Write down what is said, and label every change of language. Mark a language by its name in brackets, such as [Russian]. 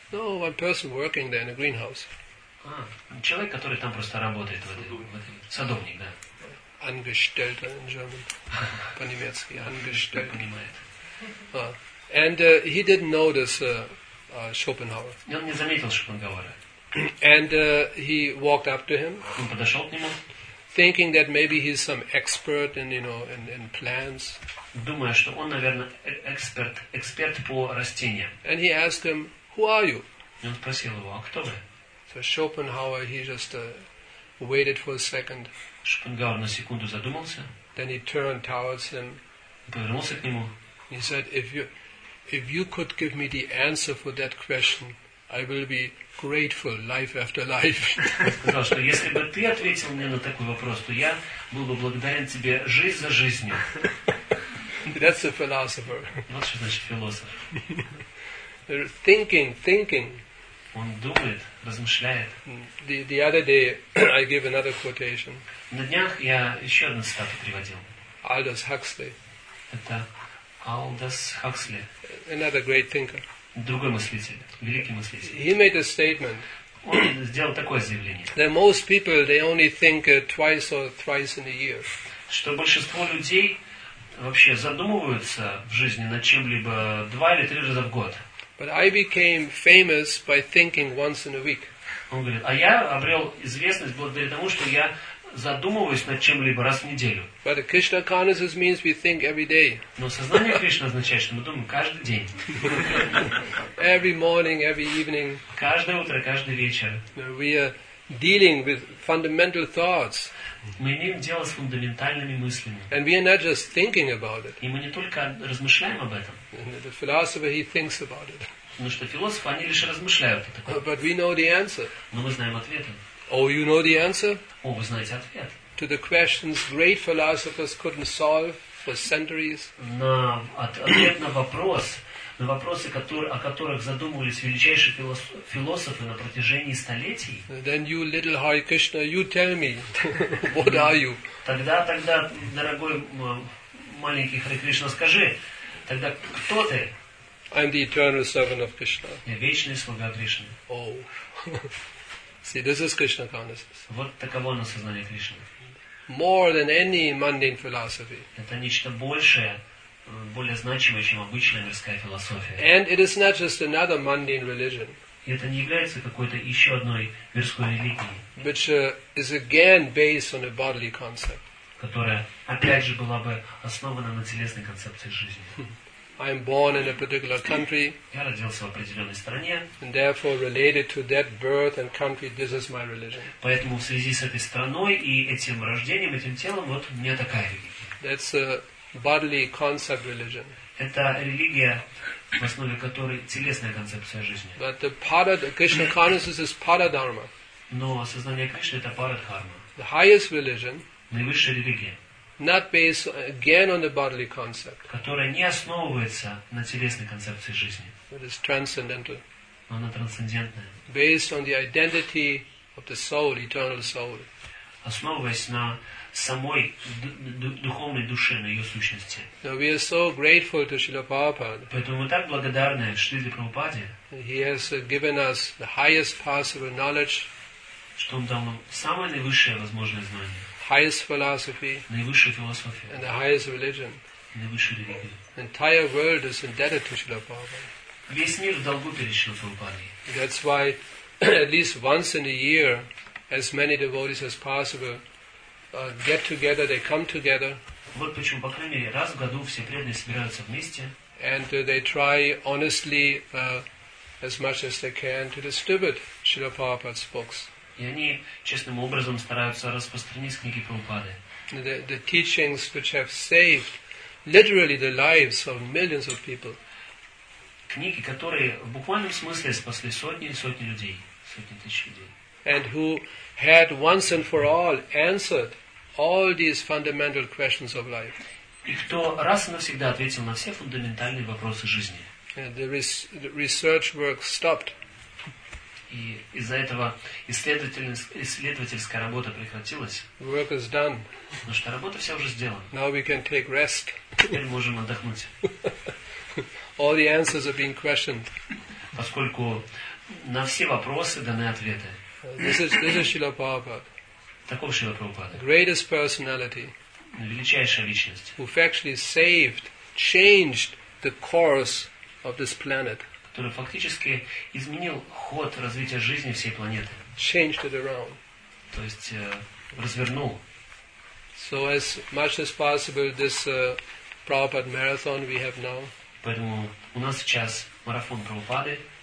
[English] No, one person working there in a greenhouse. [Russian] А, человек, который там просто работает в этом садовник, да. [English] Angestellter in German. [Russian] По-немецки, [English] angestellter. [Russian] Понимает. [English] And he didn't notice Schopenhauer. [Russian] Он не заметил Шопенгауэра. [English] And he walked up to him. [Russian] Он подошел к нему. [English] Thinking that maybe he's some expert in, you know, in plants. [Russian] Думая, что он, наверное, эксперт по растениям. [English] And he asked him, "Who are you?" [Russian] И он спросил его, а кто вы? [English] So Schopenhauer, he just waited for a second. [Russian] Шопенгауэр на секунду задумался. [English] Then he turned towards him. [Russian] Повернулся к нему. [English] He said, if you could give me the answer for that question, I will be grateful life after life. [Russian] Сказал, что если бы ты ответил мне на такой вопрос, то я был бы благодарен тебе жизнь за жизнью. [English] That's a philosopher. [Russian] Вот что значит философ. [English] Thinking. [Russian] Он думает, размышляет. [English] The other day I gave another quotation. [Russian] На днях я еще одну цитату приводил. [English] Aldous Huxley. [Russian] Это Aldous Huxley. [English] Another great thinker. [Russian] Другой мыслитель, великий мыслитель. [English] He made a statement. [Russian] Он сделал такое заявление. [English] That most people they only think twice or thrice in a year. [Russian] Что большинство людей вообще задумываются в жизни над чем-либо два или три раза в год. [English] But I became famous by thinking once in a week. [Russian] Он говорит, а я обрел известность благодаря тому, что я задумываюсь над чем-либо раз в неделю. [English] But the Krishna consciousness means we think every day. [Russian] Но сознание Кришны означает, что мы думаем каждый день. [English] Every morning, every evening. [Russian] Каждое утро, каждый вечер. [English] We are dealing with fundamental thoughts. [Russian] Мы имеем дело с фундаментальными мыслями. [English] And we are not just thinking about it. [Russian] И мы не только размышляем об этом. [English] The philosopher, he thinks about it. [Russian] Потому что философы, они лишь размышляют о таком. [English] But we know the answer. [Russian] Но мы знаем ответы. [English] Oh, you know the answer? [Russian] Oh, вы знаете ответ. [English] To the questions great philosophers couldn't solve for centuries. [Russian] Ответ на вопрос, на вопросы, о которых задумывались величайшие философы на протяжении столетий. [English] Then you little Hare Krishna, you tell me, what are you? [Russian] Тогда, дорогой маленький Hare Krishna, скажи, тогда кто ты? [English] I'm the eternal servant of Krishna. [Russian] Я вечный слуга Кришны. [English] Oh. See, this is Krishna consciousness. [Russian] Вот таково оно сознание Кришны. [English] More than any mundane philosophy. [Russian] Это нечто большее, более значимое, чем обычная мирская философия. [English] And it is not just another mundane religion. [Russian] И это не является какой-то еще одной мирской религией. [English] Which is again based on a bodily concept. [Russian] Которая опять же была бы основана на телесной концепции жизни. [English] I am born in a particular country. [Russian] Я родился в определенной стране. [English] And therefore, related to that birth and country, this is my religion. [Russian] Поэтому в связи с этой страной и этим рождением, этим телом, вот у меня такая религия. [English] That's a bodily concept religion. [Russian] Это религия, в основе которой телесная концепция жизни. [English] But the Krishna consciousness is paradharma. [Russian] Но осознание Кришны это парадхарма. [English] The highest religion. [Russian] Наивысшая религия. [English] Not based again on the bodily concept. [Russian] Которая не основывается на телесной концепции жизни. [English] It is transcendental. [Russian] Она трансцендентная. [English] Based on the identity of the soul, eternal soul. [Russian] Основываясь на самой духовной душе, на ее сущности. [English] So we are so grateful to Srila Prabhupada. [Russian] Поэтому мы так благодарны Шриле Прабхупаде. [English] He has given us the highest possible knowledge. [Russian] Что он дал нам самое наивысшее возможное знание. [English] Highest philosophy, [Russian] наивысшая философия, [English] and the highest religion, [Russian] наивысшая религия. [English] The entire world is indebted to Srila Prabhupada. [Russian] Весь мир в долгу перед Шрилой Прабхупадой. [English] That's why, at least once in a year, as many devotees as possible get together. They come together. [Russian] Вот почему по крайней мере раз в году все преданные собираются вместе. [English] and they try honestly as much as they can to distribute Srila Prabhupada's books. [Russian] И они честным образом стараются распространить книги Прабхупады. [English] The teachings which have saved literally the lives of millions of people. [Russian] Книги, которые в буквальном смысле спасли сотни и сотни людей, сотни тысяч людей. [English] And who had once and for all answered all these fundamental questions of life. [Russian] И кто раз и навсегда ответил на все фундаментальные вопросы жизни. [English] The research work stopped. [Russian] И из-за этого исследовательская работа прекратилась. [English] Work is done. [Russian] Потому что работа вся уже сделана. [English] Now we can take rest. [Russian] Теперь можем отдохнуть. [English] All the answers are being questioned. [Russian] Поскольку на все вопросы даны ответы. [English] This is Srila Prabhupada. [Russian] Таков Шрила Прабхупада. [English] Greatest personality. [Russian] Величайшая личность. [English] Who actually saved, changed the course of this planet. [Russian] Который фактически изменил ход развития жизни всей планеты. [English] Changed it around. [Russian] То есть развернул. [English] So as much as possible this Prabhupada marathon we have now. [Russian] Поэтому у нас сейчас марафон Прабхупады.